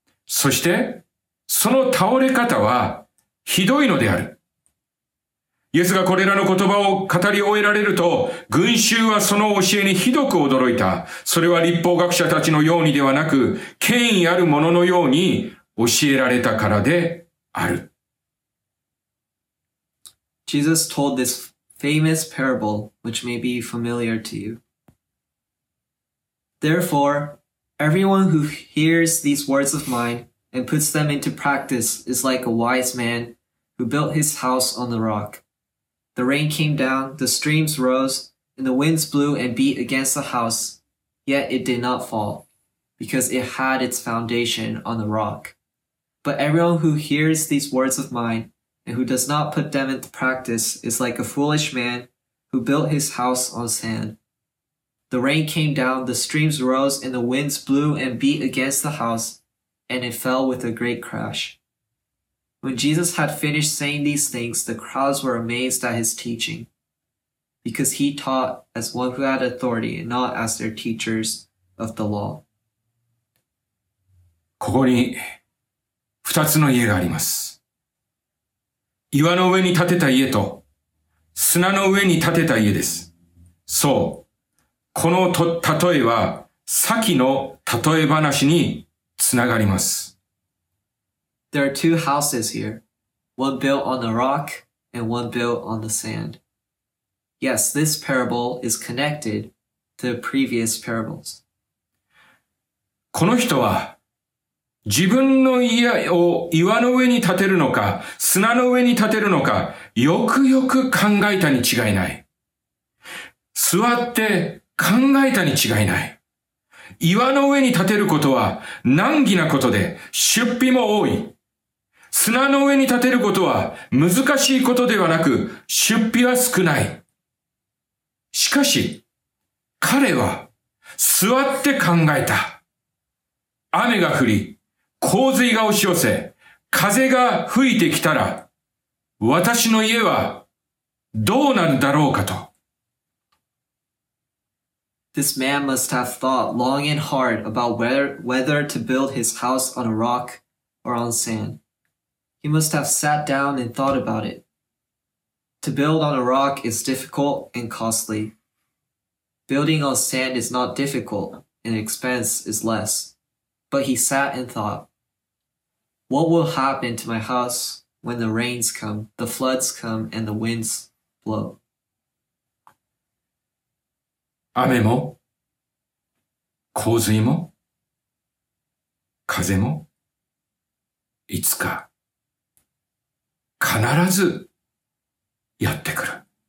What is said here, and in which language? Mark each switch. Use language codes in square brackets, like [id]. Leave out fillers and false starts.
[ja] そして、その倒れ方はひどいのである。イエスがこれらの言葉を語り終えられると、群衆はその教えにひどく驚いた。それは律法学者たちのようにではなく、権威ある者のように教えられたからである。 [en] Jesus told this famous parable, which may be familiar to you. Therefore, everyone who hears these words of mine and puts them into practice is like a wise man who built his house on the rock. The rain came down, the streams rose, and the winds blew and beat against the house, yet it did not fall, because it had its foundation on the rock. But everyone who hears these words of mine and who does not put them into practice is like a foolish man who built his house on sand. The rain came down, the streams rose, and the winds blew and beat against the house, and it fell with a great crash. When Jesus had finished saying these things, the crowds were amazed at his teaching, because he taught as one who had authority and not as their teachers of the law. [ja] ここに二つの家があります。岩の上に建てた家と砂の上に建てた家です。そう、この例えは先の例え話につながります。 [en] There are two houses here, one built on the rock and one built on the sand. Yes, this parable is connected to previous parables. [ja] この人は自分の家を岩の上に建てるのか、砂の上に建てるのか、よくよく考えたに違いない。座って考えたに違いない。岩の上に建てることは難儀なことで出費も多い。砂の上に建てることは難しいことではなく出費は少ない。しかし彼は座って考えた。雨が降り洪水が押し寄せ風が吹いてきたら私の家はどうなるだろうかと。 [en] This man must have thought long and hard about whether to build his house on a rock or on sand. He must have sat down and thought about it. To build on a rock is difficult and costly. Building on sand is not difficult and expense is less. But he sat and thought, What will happen to my house when the rains come, the floods come, and the winds blow? [ja] 雨も、洪水も、風も、いつか。必ずやってくる。